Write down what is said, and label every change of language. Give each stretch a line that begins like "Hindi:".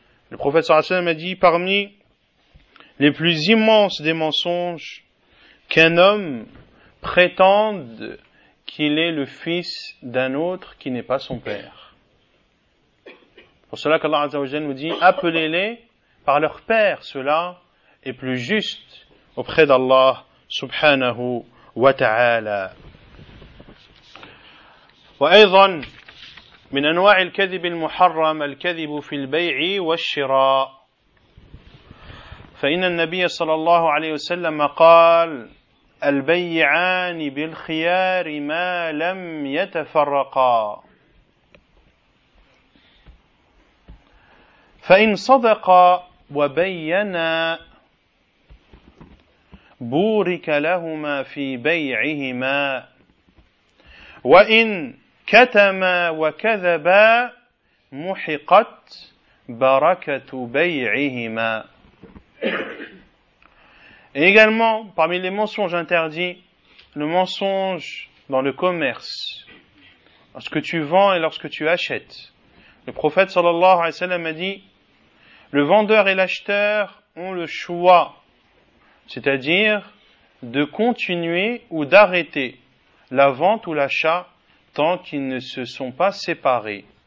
French: Le prophète sallallahu alayhi wa sallam a dit: parmi les plus immenses des mensonges, qu'un homme prétende qu'il est le fils d'un autre qui n'est pas son père. Pour cela qu'Allah Azza wa Jalla nous dit: appelez-les par leur père, cela est plus juste auprès d'Allah subhanahu wa ta'ala.
Arabic: وأيضا من أنواع الكذب المحرم الكذب في البيع والشراء، فإن النبي صلى الله عليه وسلم قال: البيعان بالخيار ما لم يتفرقا، فإن صدق وبينا بورك لهما في بيعهما، وإن كتما وكذبا محقت بركة بيعهما.
French: Et également, parmi les mensonges interdits, le mensonge dans le commerce, lorsque tu vends et lorsque tu achètes. Le prophète sallallahu alayhi wa sallam a dit: le vendeur et l'acheteur ont le choix, c'est-à-dire de continuer ou d'arrêter la vente ou l'achat tant qu'ils ne se sont pas séparés.